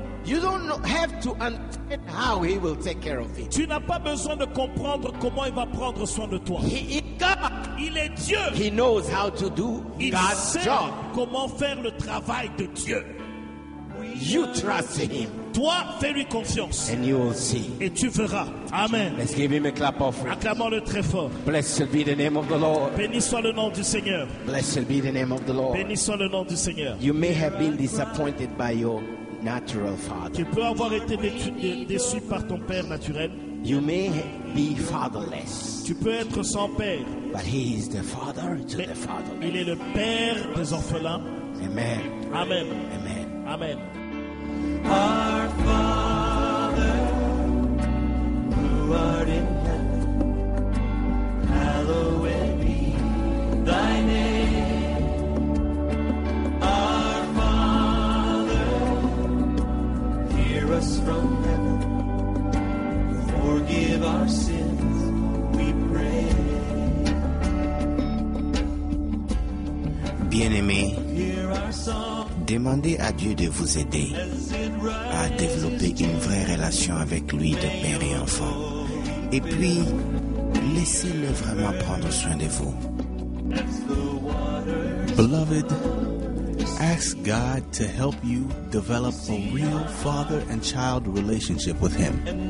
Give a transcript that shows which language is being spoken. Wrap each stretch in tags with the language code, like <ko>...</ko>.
<en>You don't have to understand how he will take care of it.</en> <fr>Tu n'as pas besoin de comprendre comment il va prendre soin de toi.</fr> <en>He is God.</en> <fr>Il est Dieu.</fr> <en>He knows how to do</en> <fr>il</fr> <en>God's</en> <fr>sait</fr> <en>job.</en> <fr>Comment faire le travail de Dieu.</fr> <en>You trust him.</en> <fr>Toi, fais-lui confiance.</fr> <en>And you will see.</en> <fr>Et tu verras. Amen.</fr> <en>Let's give him a clap offering.</en> <fr>Acclamons-le très fort.</fr> <en>Blessed be the name of the Lord.</en> <fr>Béni soit le nom du Seigneur.</fr> <en>Blessed be the name of the Lord.</en> <fr>Béni soit le nom du Seigneur.</fr> <en>You may have been disappointed by your natural father.</en> <fr>Tu peux avoir été déçu par ton père naturel.</fr> <en>You may be fatherless.</en> <fr>Tu peux être sans père.</fr> <en>But he is the father to the fatherless.</en> <fr>Il est le père des orphelins.</fr> <en>Amen.</en> <fr>Amen.</fr> <en>Amen.</en> <fr>Amen.</fr> <en>Our Father, who art in heaven, hallowed be thy name. Our Father, hear us from heaven. Forgive our sins, we pray.</en> <fr>Bien-aimés, demandez à Dieu de vous aider à développer une vraie relation avec lui de père et enfant. Et puis, laissez-le vraiment prendre soin de vous.</fr> <en>Beloved, ask God to help you develop a real father and child relationship with him.</en>